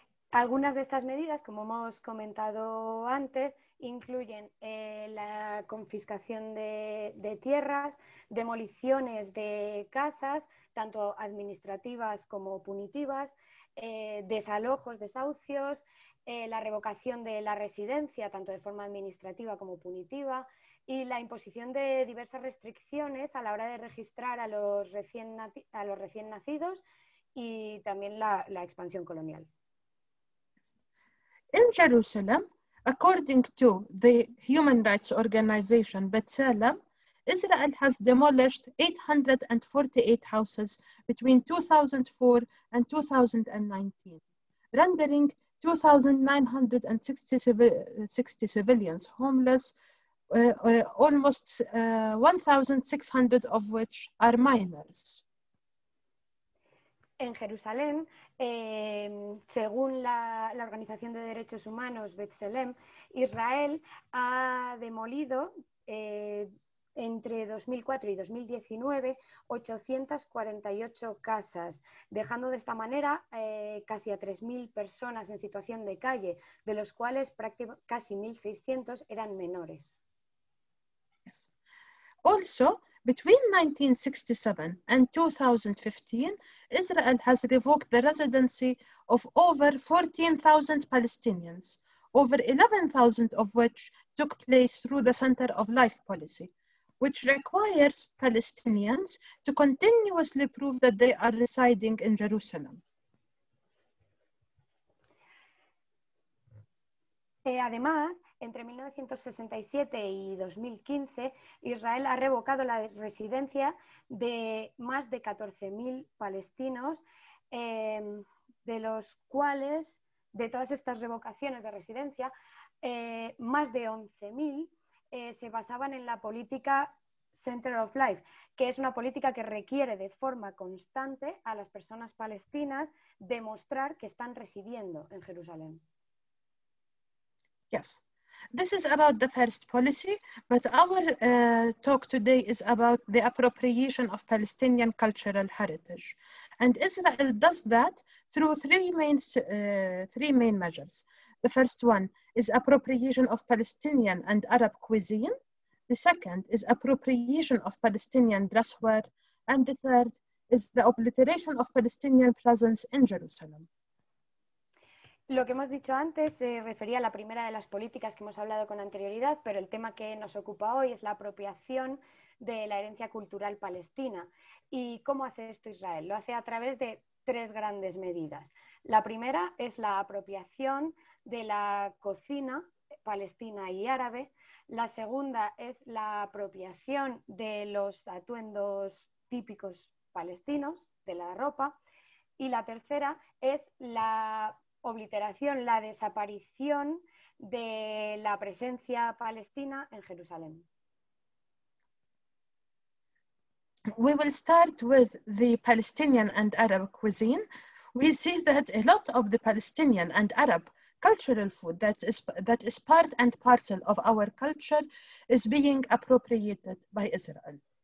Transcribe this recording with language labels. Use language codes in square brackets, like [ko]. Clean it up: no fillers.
[es] Algunas de estas medidas, como hemos comentado antes, incluyen la confiscación de tierras, demoliciones de casas, tanto administrativas como punitivas, desalojos, desahucios, la revocación de la residencia, tanto de forma administrativa como punitiva, y la imposición de diversas restricciones a la hora de registrar a los recién nacidos y también la expansión colonial. [en] In Jerusalem, according to the human rights organization B'Tselem, Israel has demolished 848 houses between 2004 and 2019, rendering 2,960 civilians homeless, almost 1,600 of which are minors. [es] En Jerusalén, según la Organización de Derechos Humanos B'Tselem, Israel ha demolido entre 2004 y 2019 848 casas, dejando de esta manera casi a 3.000 personas en situación de calle, de los cuales casi 1.600 eran menores. [en] Also, between 1967 and 2015, Israel has revoked the residency of over 14,000 Palestinians, over 11,000 of which took place through the Center of Life policy, which requires Palestinians to continuously prove that they are residing in Jerusalem. [es] Además, entre 1967 y 2015, Israel ha revocado la residencia de más de 14.000 palestinos, de los cuales, de todas estas revocaciones de residencia, más de 11.000 se basaban en la política Center of Life, que es una política que requiere de forma constante a las personas palestinas demostrar que están residiendo en Jerusalén. [en] Yes. This is about the first policy, but our talk today is about the appropriation of Palestinian cultural heritage. And Israel does that through three main measures. The first one is appropriation of Palestinian and Arab cuisine. The second is appropriation of Palestinian dresswear. And the third is the obliteration of Palestinian presence in Jerusalem. [es] Lo que hemos dicho antes se refería a la primera de las políticas que hemos hablado con anterioridad, pero el tema que nos ocupa hoy es la apropiación de la herencia cultural palestina. ¿Y cómo hace esto Israel? Lo hace a través de tres grandes medidas. La primera es la apropiación de la cocina palestina y árabe. La segunda es la apropiación de los atuendos típicos palestinos, de la ropa. Y la tercera es la obliteración, la desaparición de la presencia palestina en Jerusalén. [en] We will start with the Palestinian and Arab cuisine. We see that a lot of the Palestinian and Arab cultural food that is part and parcel of our culture is being appropriated by Israel.